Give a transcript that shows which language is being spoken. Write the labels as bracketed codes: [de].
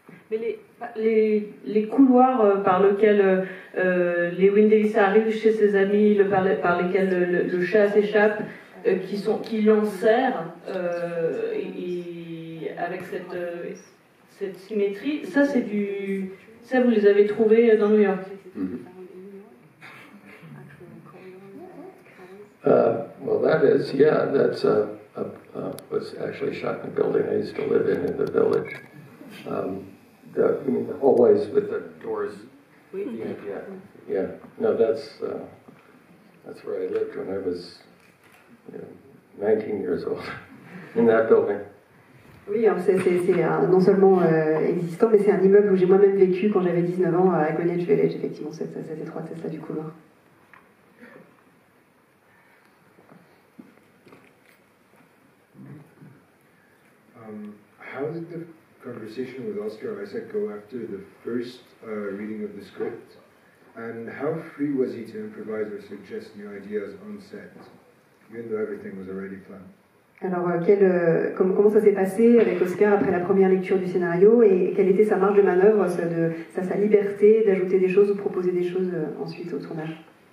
[fr] Mais les couloirs par lesquels Llewyn Davis arrive chez ses amis, par lesquels le chat s'échappe, qui l'enserrent avec cette symétrie, ça, c'est du... Ça, vous les avez trouvés dans New York. [en] Well, that is, yeah, that's was actually shot in a building I used to live in the village. The hallways with the doors. That's where I lived when I was 19 years old, in that building. [fr] Oui, c'est non seulement existant, mais c'est un immeuble où j'ai moi-même vécu quand j'avais 19 ans à Greenwich Village, effectivement, cette étroitesse du couloir. [en] How did the conversation with Oscar Isaac go after the first reading of the script? And how free was he to improvise or suggest new ideas on set, even though everything was already planned? [fr] Alors, comment ça s'est passé avec Oscar après la première lecture du scénario et quelle était sa marge de manœuvre, sa liberté d'ajouter des choses ou proposer des choses ensuite au tournage?